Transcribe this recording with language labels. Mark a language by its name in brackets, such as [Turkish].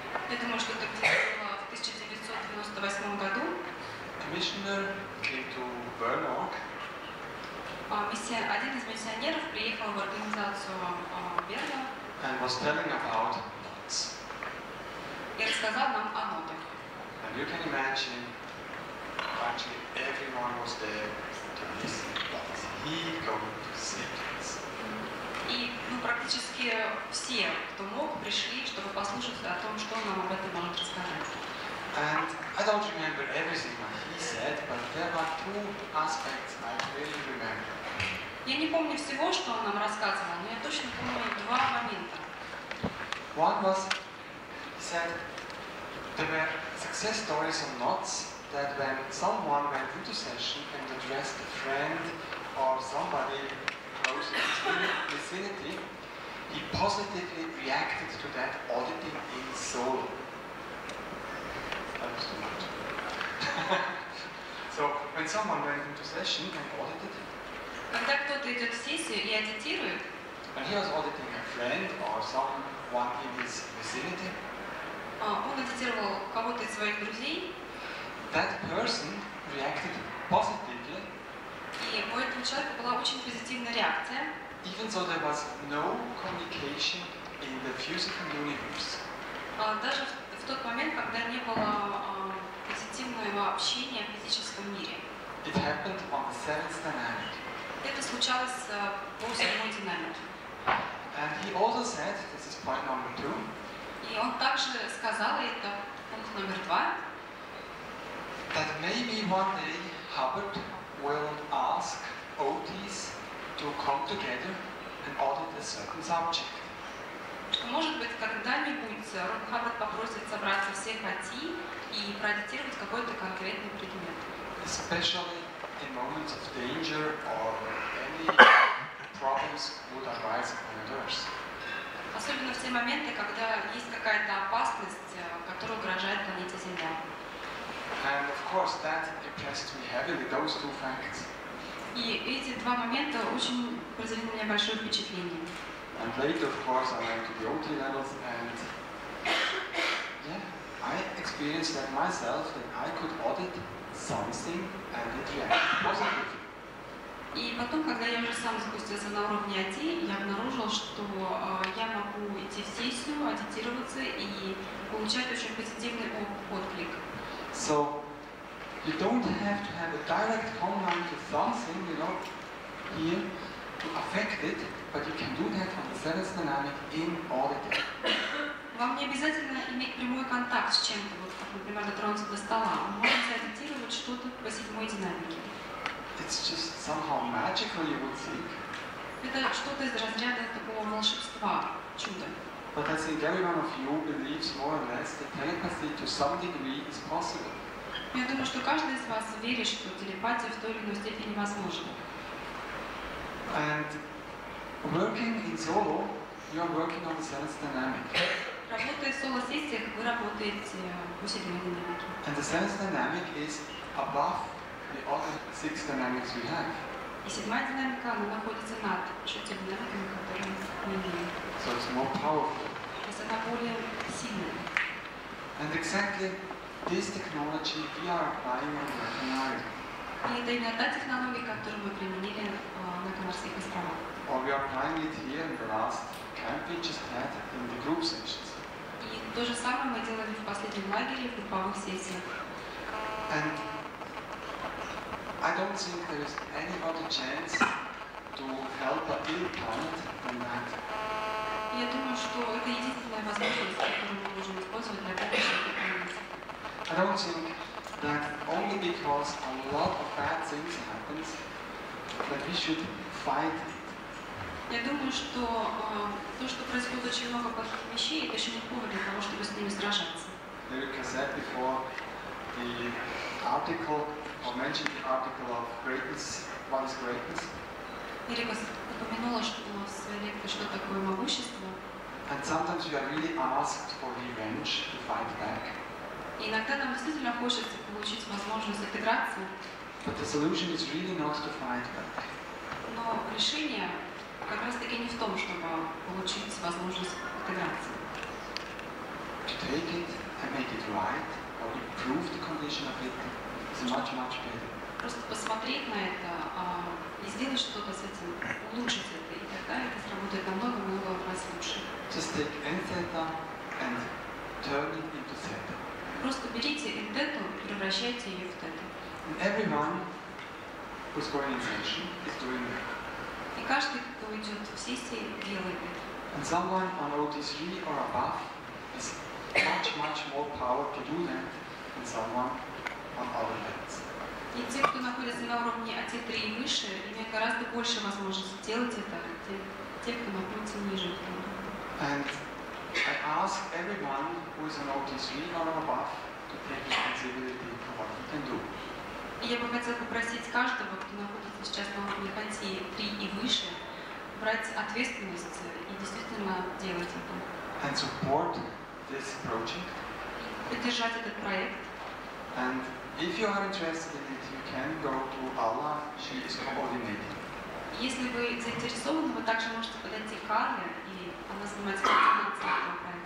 [Russian] Я думаю, что это где-то было в 1998 году. [English] Commissioner came to Bernburg. [Russian] Один из миссионеров приехал в организацию Берна. [English] And was telling about NOTS. [Russian] И рассказал нам о НОТС. [English] And you can imagine, actually everyone was there to listen. What is he going to say to us? [Russian] И практически все, кто мог, пришли, чтобы послушать о том, что он нам об этом может рассказать. [English] And I don't remember everything that he said, but there were two aspects I really remember. [Russian] Я не помню всего, что он нам рассказывал, но я точно помню два момента. [English] One was, he said, there were success stories on NOTS that when someone went into session and addressed a friend or somebody close in his vicinity, he positively reacted to that auditing in Seoul. So when someone went into session and audited, [Russian] когда кто-то идет в сессию и аудитирует, [English] and he was auditing a friend or someone in his vicinity, [Russian] он аудитировал кого-то из своих друзей, [English] that person reacted positively, [Russian] и у этого человека была очень позитивная реакция, [English] even though there was no communication in the physical universe, [Russian] даже в тот момент, когда не было позитивного общения в физическом мире. [English] It happened on the seventh dynamic. [Russian] Это случалось по седьмой динамике. [English] And he also said, this is point number two. [Russian] И он также сказал, и это пункт номер два. [English] That maybe one day Hubbard will ask OTs to come together and audit a certain subject. [Russian] Может быть, когда-нибудь Рон Хаббард попросит собраться всех OT и проаудитировать какой-то конкретный предмет. [English] Especially in moments of danger or any problems would arise on Earth. [Russian] Особенно в те моменты, когда есть какая-то опасность, которая угрожает планете Земля. [English] And of course that impressed me heavily, those two facts. [Russian] И эти два момента очень произвели на меня большое впечатление. [English] And later, of course, I went to the OT levels and I experienced that myself, that I could audit something and it reacted positively. [Russian] И потом, когда я уже сам запустился на уровне IT, я обнаружил, что я могу идти в сессию, аудитироваться и получать очень позитивный отклик. [English] So, you don't have to have a direct contact with something, you know, here to affect it, but you can do that on the seventh dynamic in auditing. [Russian] Вам не обязательно иметь прямой контакт с чем-то, вот, например, дотронуться до стола. Вы можете аудитировать что-то по седьмой динамике. [English] It's just somehow magical, you would think. [Russian] Это что-то из разряда такого волшебства, чуда. [English] But I think every one of you believes more or less that telepathy to some degree is possible. [Russian] Я думаю, что каждый из вас верит, что телепатия в той или иной степени невозможна. [English] And working in solo, you are working on the seventh dynamic. [Russian] Работая в соло-сессиях, вы работаете по седьмой динамике. [English] And the seventh dynamic is above the other six dynamics we have. [Russian] И седьмая динамика, она находится над шестью динамиками, которые мы имеем. [English] So it's more powerful. [Russian] То есть она более сильная. [English] And exactly this technology we are applying on the Canary. [Russian] И это именно та технология, которую мы применили на Канарских островах. [English] Or we are applying it here in the last camp we just had in the group sessions. [Russian] И то же самое мы делали в последнем лагере, в групповых сессиях. [English] And I don't think there is any other chance to help a ill planet on that. [Russian] Я думаю, что это единственная возможность, которую мы можем использовать для помощи этой планете. [English] I don't think that only because a lot of bad things happens that we should fight it. [Russian] Я думаю, что то, что происходит очень много плохих вещей, это еще не повод для того, чтобы с ними сражаться. [English] Like I said before, the article, or mentioned the article of greatness, what is greatness? [Russian] Ирика упомянула, что в своей лекции, что такое могущество. [English] And sometimes we are really asked for revenge to fight back. [Russian] Иногда нам действительно хочется получить возможность отыграться. [English] But the solution is really not to fight back. [Russian] Но решение как раз таки не в том, чтобы получить возможность отыграться. [English] To take it and make it right, or improve the condition of it, is much, much better. [Russian] Просто посмотреть на это и сделать что-то с этим, улучшить это, и тогда это сработает намного-много раз лучше. [English] Just take N-theta and turn it into theta. [Russian] Просто берите N-theta и превращайте ее в theta. [English] And everyone who's going in session is doing that. [Russian] И каждый, кто идет в сессии, делает это. [English] And someone on OT3 or above has much, much more power to do that than someone on other levels. [Russian] И те, кто находится на уровне АТ-3 и выше, имеют гораздо больше возможности делать это, а те, кто находится ниже. [English] And I ask everyone who is an OT3 or above to take responsibility for what you can do. [Russian] И я бы хотела попросить каждого, кто находится сейчас на уровне АТ-3 и выше, брать ответственность и действительно делать это. [English] And support this project. [Russian] Поддержать этот проект. [English] And if you are interested in it, you can go to Alla, she is coordinating. [Russian] Если вы заинтересованы, вы также можете подойти к Алле, и она занимается координацией этого проекта.